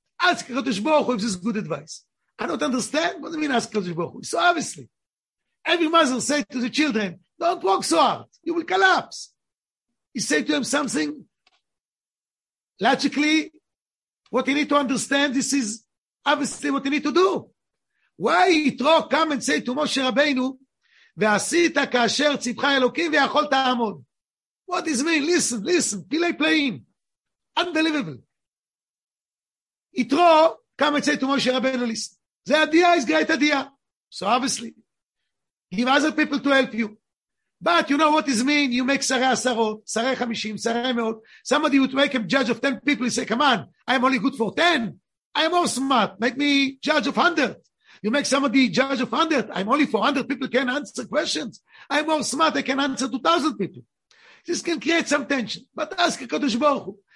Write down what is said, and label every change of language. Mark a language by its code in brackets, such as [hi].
[en] Ask HaKadosh Baruch Hu if this is good advice. I don't understand. What do you mean ask HaKadosh Baruch Hu? So obviously, every mother said to the children, don't walk so hard. You will collapse. He said to him something logically, what you need to understand, this is obviously what you need to do. Why Yitro come and say to Moshe Rabbeinu, [he] ועשית כאשר ציפך אלוקים ויכול תעמוד. [en] What is mean? Listen, listen. Play, playing. Unbelievable. יתרו, come and say to Moshe Rabbeinu, listen. The idea is great idea. So obviously, give other people to help you. But you know what is mean? You make [he] שרי עשרות, שרי חמישים, שרי מאות. [en] Somebody would make a judge of 10 people and say, come on, I am only good for 10. I am more smart. Make me judge of 100. You make somebody judge of 100. I'm only 400 people can answer questions. I'm more smart. I can answer 2,000 people. This can create some tension. But ask HaKadosh Baruch Hu.